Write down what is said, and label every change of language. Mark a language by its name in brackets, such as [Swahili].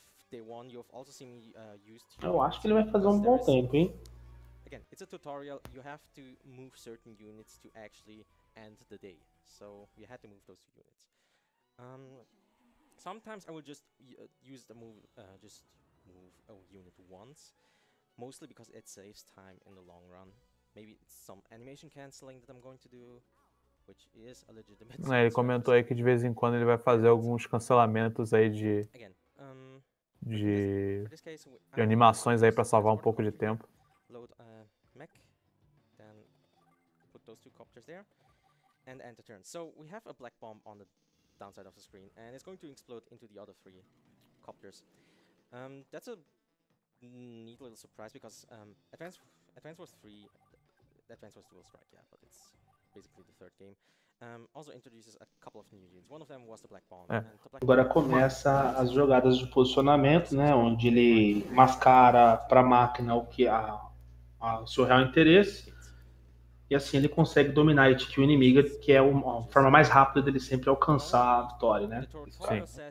[English] Day one, you've also seen me used here. [Portuguese] Eu acho que ele vai fazer um bom tempo, hein? [English] Again, it's a tutorial. You have to move certain units to actually end the day. So we had to move those units. Sometimes I will just use the move, just move a unit once, mostly because it saves time in the long run. Maybe it's some animation canceling that I'm going to do. Which is a legitimate [Portuguese] Ele comentou aí que de vez em quando ele vai fazer alguns cancelamentos aí [English] again, [Portuguese] de animações aí para salvar um pouco de tempo. [English] Load mech, then put those two copters there and end the turn. So we have a black bomb on the downside of the screen and it's going to explode into the other three copters. That's a neat little surprise because advance was three, advance was dual strike, yeah, but it's basically the third game. Also introduces a couple of new units. One of them was the black bomb. É. [Portuguese] Agora começa as jogadas de posicionamento, né, onde ele mascara para a máquina o que a seu real interesse. E assim ele consegue dominar a HQ inimiga, que é uma forma mais rápida dele sempre alcançar a vitória, né? Sim.